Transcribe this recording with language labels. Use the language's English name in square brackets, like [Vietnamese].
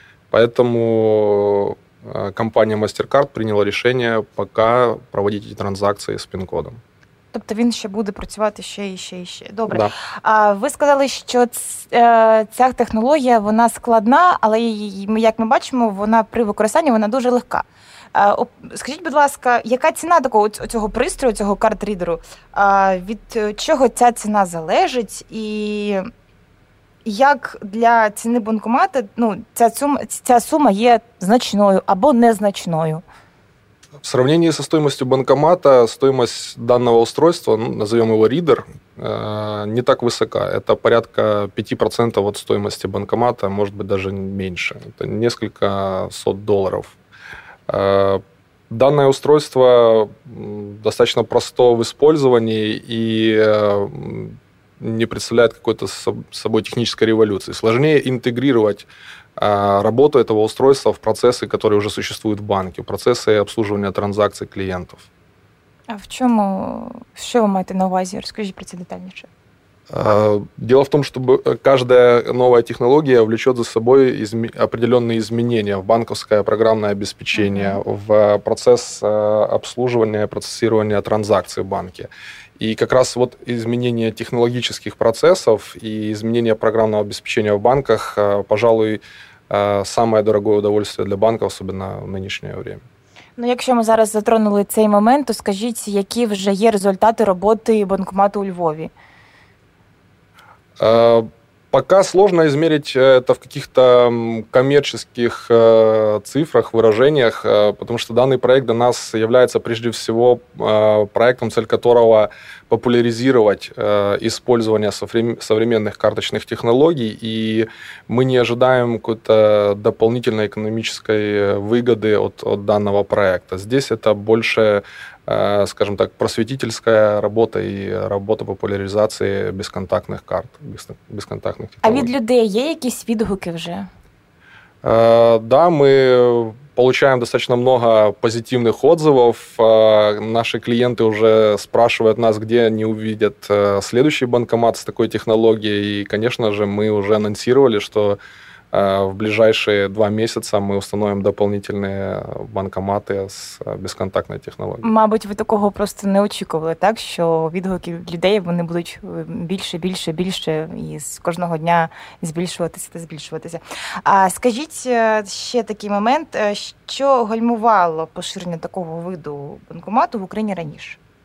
[Russian] Поэтому компания MasterCard приняла решение пока проводить эти транзакции с пин-кодом. [Ukrainian] Тобто він ще буде працювати ще. Добре. [Russian] Да. [Ukrainian] Ви сказали, що ця технологія, вона складна, але як ми бачимо, вона при використанні, вона дуже легка. Скажіть, будь ласка, яка ціна такого цього пристрою, цього карт-рідеру? Від чого ця ціна залежить? І як для ціни банкомата, ну, ця сума є значною або незначною? [Russian] В сравнении со стоимостью банкомата, стоимость данного устройства, ну, назовем его ридер, не так высока. Это порядка 5% от стоимости банкомата, может быть, даже меньше. Это несколько сот долларов. Данное устройство достаточно просто в использовании и не представляет какой-то с собой технической революции. Сложнее интегрировать работу этого устройства в процессы, которые уже существуют в банке, в процессы обслуживания транзакций клиентов. А в чем, что вы имеете на увазе? Расскажите про это детальнее. Дело в том, что каждая новая технология влечет за собой определенные изменения в банковское программное обеспечение, mm-hmm. в процесс обслуживания, процессирования транзакций в банке. И как раз вот изменение технологических процессов и изменение программного обеспечения в банках, пожалуй, самое дорогое удовольствие для банков, особенно в нынешнее время. [Ukrainian] Ну, якщо ми зараз затронули цей момент, то скажіть, які вже є результати роботи банкомату у Львові? [Russian] Пока сложно измерить это в каких-то коммерческих цифрах, выражениях, потому что данный проект для нас является прежде всего проектом, цель которого популяризировать использование современных карточных технологий, и мы не ожидаем какой-то дополнительной экономической выгоды от данного проекта. Здесь это больше, скажем так, просветительская работа и работа популяризации бесконтактных карт, бесконтактных [Ukrainian] технологий. А від людей є якісь відгуки вже? [Russian] Да, мы получаем достаточно много позитивных отзывов. Наши клиенты уже спрашивают нас, где они увидят следующий банкомат с такой технологией. И, конечно же, мы уже анонсировали, что в ближайшие 2 месяца мы установим дополнительные банкоматы с бесконтактной технологией. [Ukrainian] Мабуть, вы такого просто не очікували, так? Що відгуки людей, вони будуть більше, і з кожного дня збільшуватися. А скажіть ще такий момент, що гальмувало поширення такого виду банкомату в Україні раніше?